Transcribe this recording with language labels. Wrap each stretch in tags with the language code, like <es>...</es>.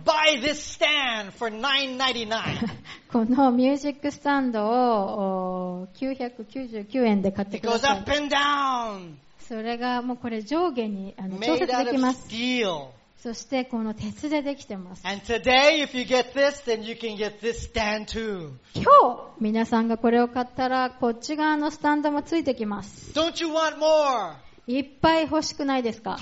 <en>Buy this stand for $9.99.</en> <ja>このミュージックスタンドを999円で買ってください。</ja> <en>It goes up and down.</en> <ja>それがもうこれ上下に調節できます。</ja> <en>Made out of steel.</en> <ja>そしてこの鉄でできてます。</ja> <en>And today, if you get this, then you can get this stand too.</en> <ja>今日皆さんがこれを買ったらこっち側のスタンドもついてきます。</ja> <en>Don't you want more?</en> <ja>いっぱい欲しくないですか?</ja>